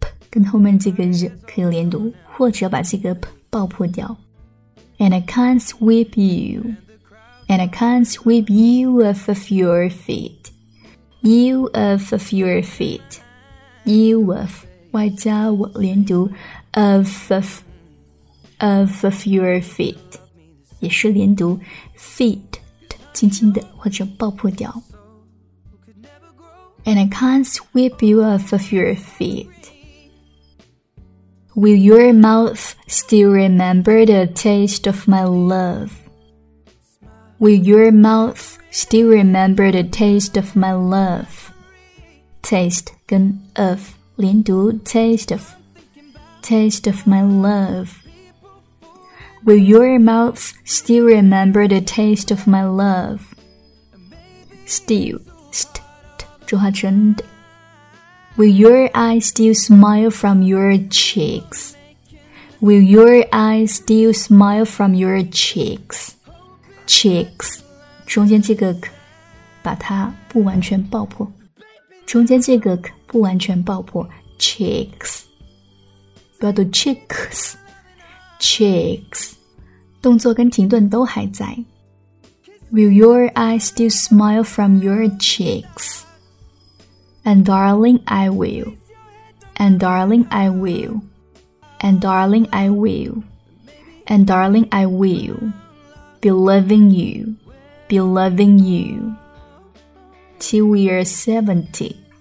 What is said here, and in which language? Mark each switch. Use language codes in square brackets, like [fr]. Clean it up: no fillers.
[zh] 跟后面这个日可以连读，或者把这个 p 爆破掉。 [en] And I can't sweep you. And I can't sweep you off of your feet. You off of your feet. You off [zh] 外加我连读 [en] of your feet [zh] 也是连读 feet 轻轻的或者爆破掉。 [en] And I can't sweep you off of your feet. Will your mouth still remember the taste of my love? Will your mouth still remember the taste of my love? Taste [zh] 跟 [en] of [zh] 连读 [en] taste of my love. Will your mouth still remember the taste of my love? Still, st, [zh] 浊化成 [en] d. Will your eyes still smile from your cheeks? Will your eyes still smile from your cheeks? [zh] Cheeks 中间这个 k 把它不完全爆破，中间这个 k 不完全爆破 Cheeks 不要读 cheeks Cheeks 动作跟停顿都还在。 [en] Will your eyes still smile from your cheeks? And darling, I will. And darling, I will. And darling, I will. And darling, I will. Be loving you. Be loving you. Till we are 70.